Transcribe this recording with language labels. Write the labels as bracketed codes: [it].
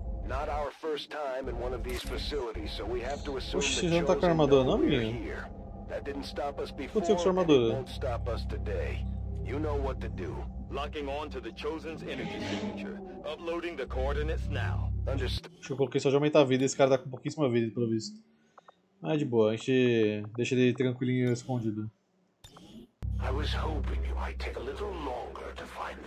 [en] Not our first time in one of these facilities, so we have to assume. [pt] Oxi, já tá com a armadura, não, amigo? [en] That didn't stop us before. [pt] Com sua armadura. [en] Won't stop us today. You know what to do. Locking on to the Chosen's energy signature. Uploading the coordinates now. Understood. [pt] Deixa eu colocar só de aumentar a vida, esse cara tá com pouquíssima vida, pelo visto. Ah, de boa, a gente deixa ele tranquilinho escondido. [en] I was hoping you might take a little longer to find the